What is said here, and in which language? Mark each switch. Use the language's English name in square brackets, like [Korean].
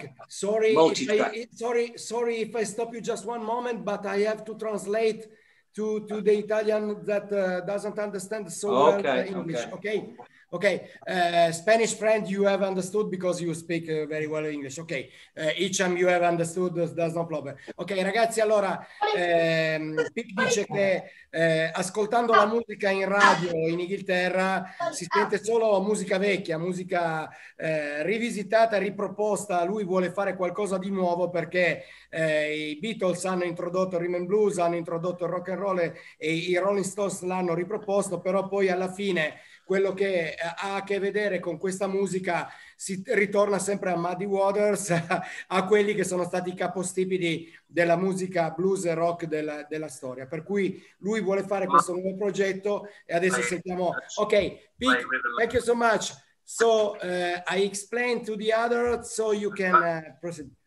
[English] Sorry if I stop you just one moment, but I have to translate to the Italian that doesn't understand so well English. Okay. Spanish friend, you have understood because you speak very well English. Okay. Icham, you have understood, there's no problem. [Italian] Okay, ragazzi, allora, Pic dice che ascoltando la musica in radio in Inghilterra si sente solo musica vecchia, musica rivisitata, riproposta. Lui vuole fare qualcosa di nuovo perhi Beatles hanno introdotto il rhythm and blues, hanno introdotto il rock and roll e i Rolling Stones l'hanno riproposto, però poi alla fine quello che ha a che vedere con questa musica si ritorna sempre a Muddy Waters, a quelli che sono stati i capostipiti della musica blues e rock della storia. Per cui lui vuole fare questo nuovo progetto e adesso sentiamo. [English] Ok, Pic, thank you so much. So I explain to the others so you can proceed.